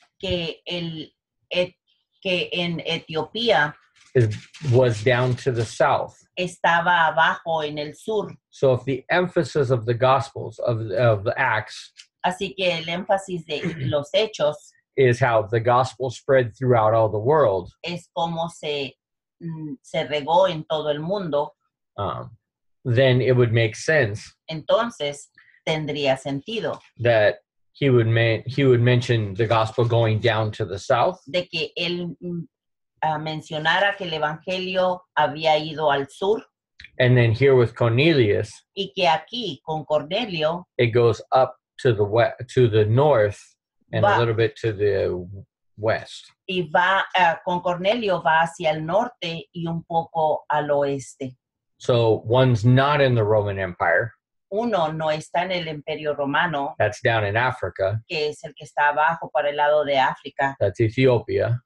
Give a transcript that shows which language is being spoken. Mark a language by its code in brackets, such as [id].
[es] que el que en Etiopía [en] was down to the south, [es] estaba abajo en el sur. [en] So if the emphasis of the Gospels of the Acts, [es] así que el énfasis de los Hechos, [en] is how the gospel spread throughout all the world, [es] es como se regó en todo el mundo, [en] then it would make sense, [es] entonces tendría sentido, [en] that he would mention the gospel going down to the south, [es] de que él mencionara que el evangelio había ido al sur, [en] and then here with Cornelius, [es] y que aquí con Cornelio, [en] it goes up to the west, to the north, and [es] va, [en] a little bit to the west. [es] Y va, con Cornelio va hacia el norte y un poco al oeste. [en] So one's not in the Roman Empire. [es] Uno no está en el Imperio Romano. [en] That's down in Africa. [es] Que es el que está abajo para el lado de África. [en] That's Ethiopia.